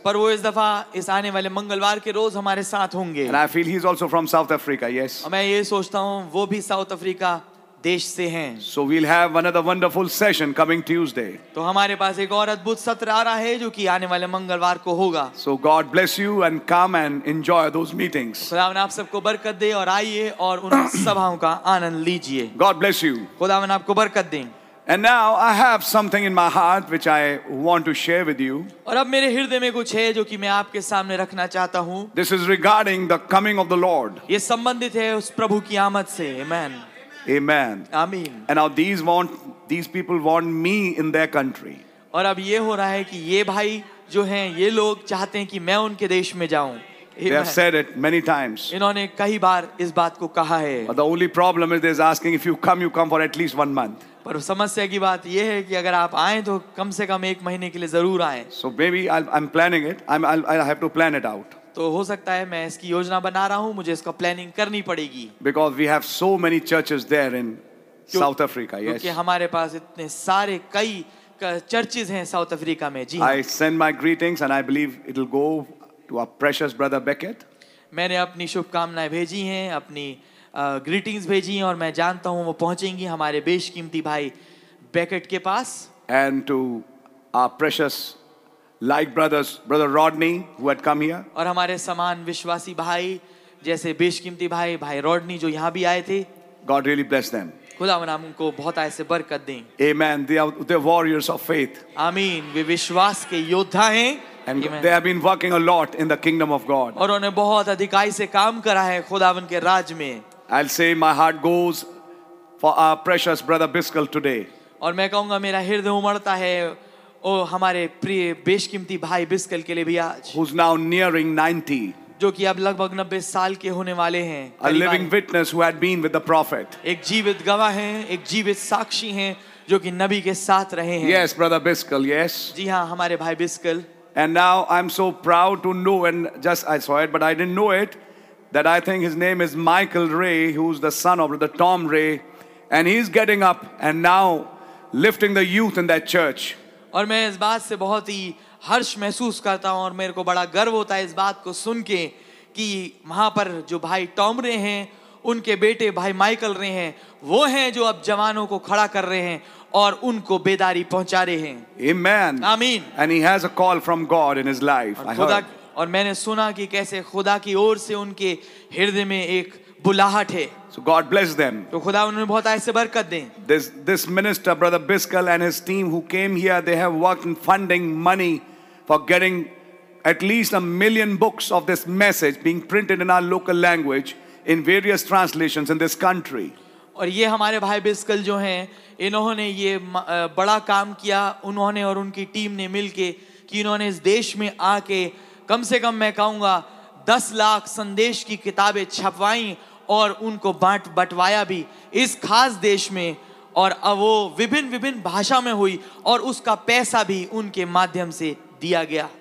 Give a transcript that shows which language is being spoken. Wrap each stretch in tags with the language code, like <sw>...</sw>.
<hi>पर वो इस दफा इस आने वाले मंगलवार के रोज हमारे साथ होंगे.</hi> <en>And I feel he's also from South Africa, yes.</en> <hi>और मैं ये सोचता हूँ वो भी South Africa देश से हैं.</hi> <en>So we'll have another wonderful session coming Tuesday.</en> <hi>तो हमारे पास एक और अद्भुत सत्र आ रहा है जो कि आने वाले मंगलवार को होगा.</hi> <en>So God bless you and come and enjoy those meetings.</en> <hi>खुदावन आप सबको बरकत दे और आइए और उन सभाओं का आनंद लीजिए.</hi> <en>God bless you.</en> <hi>खुदावन आपको बरकत दे.</hi> <en>And now I have something in my heart which I want to share with you.</en> <hi>और अब मेरे हृदय में कुछ है जो कि मैं आपके सामने रखना चाहता हूँ.</hi> <en>This is regarding the coming of the Lord.</en> <hi>ये संबंधित है उस प्रभु की आमद से.</hi> <en>Amen. Amen. Amen. And now these people want me in their country.</en> <hi>और अब ये हो रहा है कि ये भाई जो हैं ये लोग चाहते हैं कि मैं उनके देश में जाऊँ.</hi> <en>They have said it many times.</en> <hi>इन्होंने कई बार इस बात को कहा है.</hi> <en>But the only problem is they're asking if you come for at least 1 month.</en> <hi>पर समस्या की बात यह है कि अगर आप आए तो कम से कम एक महीने के लिए जरूर आए.</hi> <en>So maybe I'm planning it. I'll have to plan it out.</en> <hi>तो हो सकता है मैं इसकी योजना बना रहा हूँ, मुझे इसका प्लानिंग करनी पड़ेगी.</hi> <en>Because we have so many churches there in South Africa, yes.</en> <hi>क्योंकि हमारे पास इतने सारे कई चर्चेज हैं साउथ अफ्रीका में. जी,</hi> <en>I send my greetings and I believe it'll go to our precious brother Beckett.</en> <hi>मैंने अपनी शुभकामनाएं भेजी हैं, अपनी ग्रीटिंग्स भेजी हैं और मैं जानता हूं वो पहुंचेंगी हमारे बेशकीमती भाई बेकेट के पास.</hi> <en>and to our precious like brothers brother Rodney who had come here</en> <hi>और हमारे समान विश्वासी भाई जैसे बेशकीमती भाई भाई रॉडनी जो यहां भी आए थे.</hi> <en>God really bless them.</en> <hi>खुदावन उनको बहुत ऐसे बरकत दें.</hi> <en>आमीन. They are the warriors of faith.</en> <hi>आमीन. वे विश्वास के योद्धा हैं.</hi> <en>And they have been working a lot in the kingdom of God.</en> <hi>और उन्होंने बहुत अधिकाई से काम करा है खुदावन के राज में.</hi> <en>I'll say my heart goes for our precious brother Biskal today.</en> <hi>और मैं कहूंगा मेरा हृदय उमड़ता है ओ हमारे प्रिय बेशकीमती भाई बिस्कल के लिए भी आज.</hi> <en>Who's now nearing 90.</en> <hi>जो कि अब लगभग 90 साल के होने वाले हैं.</hi> <en>A living witness who had been with the prophet.</en> <hi>एक जीवित गवाह हैं, एक जीवित साक्षी हैं जो कि नबी के साथ रहे हैं.</hi> <en>Yes, brother Biskal, yes.</en> <hi>जी हाँ, हमारे भाई बिस्कल.</hi> <en>And now I'm so proud to know, and just I saw it, but I didn't know it, that I think his name is Michael Ray, who's the son of the Tom Ray, and he's getting up and now lifting the youth in that church.</en> <hi>और मैं इस बात से बहुत ही हर्ष महसूस करता हूँ और मेरे को बड़ा गर्व होता है इस बात को सुनके कि वहाँ पर जो भाई टॉम रे हैं, उनके बेटे भाई माइकल रे हैं, वो हैं जो अब जवानों को खड़ा कर रहे हैं और उनको बेदारी पहुंचा रहे हैं.</hi> <en>Amen. Amen. And he has a call from God in his life.</en> <hi>और मैंने सुना कि कैसे खुदा की ओर से उनके हृदय में एक बुलाहट है.</hi> <en>So God bless them.</en> <hi>तो खुदा उन्हें बहुत ऐसे बरकत दें.</hi> <en>This minister, brother Biskal and his team who came here, they have worked in funding money for getting at least 1 million books of this message being printed in our local language in various translations in this country.</en> <hi>और ये हमारे भाई बिस्कल जो हैं, इन्होंने ये बड़ा काम किया, उन्होंने और उनकी टीम ने मिलके कि इन्होंने इस देश में आके कम से कम मैं कहूँगा 10 लाख संदेश की किताबें छपवाईं और उनको बांट बंटवाया भी इस खास देश में और वो विभिन्न विभिन्न भाषा में हुई और उसका पैसा भी उनके माध्यम से दिया गया.</hi>